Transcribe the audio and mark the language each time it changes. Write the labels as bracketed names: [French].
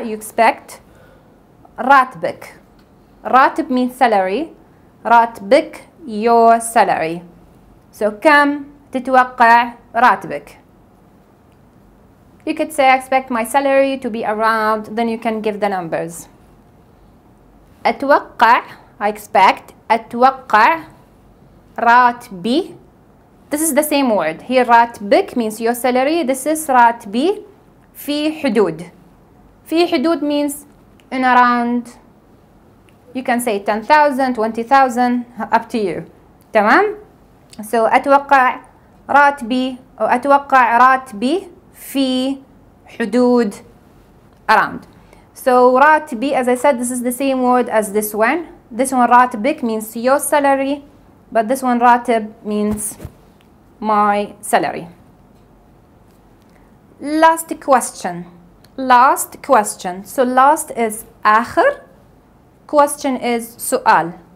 [English] You expect راتبك. راتب means salary. [Arabic] راتبك [English] your salary. So [Arabic] كم تتوقع راتبك? [English] You could say I expect my salary to be around. Then you can give the numbers. [Arabic] أتوقع, [English] I expect, [Arabic] أتوقع راتبي. [English] This is the same word. Here راتبك means your salary. This is [Arabic] راتبي في حدود. [English] في حدود means in around. You can say 10,000, 20,000, up to you. تمام? So [Arabic] أتوقع راتبي أو أتوقع راتبي في حدود around. [English] So راتبي, as I said, this is the same word as this one. This one راتبك means your salary, but this one راتب means my salary. Last question. Last question. So last is آخر. Question is سؤال.